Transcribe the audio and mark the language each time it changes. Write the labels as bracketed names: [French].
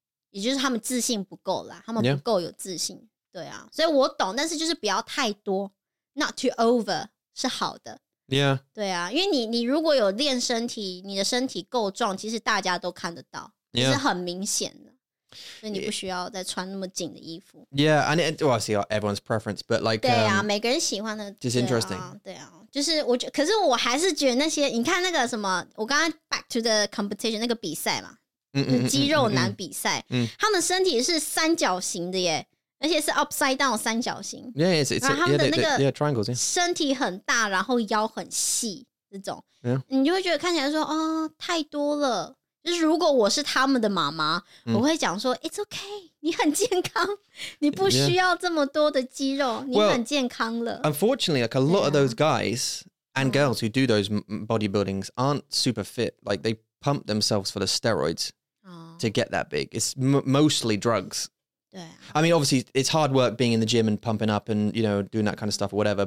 [Chinese] 也就是他们自信不够啦，他们不够有自信，对啊，所以我懂，但是就是不要太多 ， [English] not too over [Chinese] 是好的，对啊，因为你如果有练身体，你的身体够壮，其实大家都看得到，是很明显的，所以你不需要再穿那么紧的衣服。 [English] Yeah, and it, well, see, everyone's preference, but like, [Chinese] 对啊，每个人喜欢的 [English] ，just interesting, [Chinese] 对啊。就是我还是觉得那些，你看那个什么，我刚刚 [English] back to the competition [Chinese] 那个比赛嘛，肌肉男比赛，他们身体是三角形的耶，而且是 [English] upside down [Chinese] 三角形。Yeah, [English] it's triangles. [Chinese] 身体很大，然后腰很细，这种，你就会觉得看起来说哦太多了。就是如果我是他们的妈妈，我会讲说 [English] it's okay， [Chinese] 你很健康，你不需要这么多的肌肉，你很健康了。 [English] Well, unfortunately, like a lot of those guys and girls who do those bodybuildings aren't super fit. Like they pump themselves for the steroids to get that big. It's mostly drugs. Yeah. I mean, obviously, it's hard work being in the gym and pumping up and, you know, doing that kind of stuff or whatever.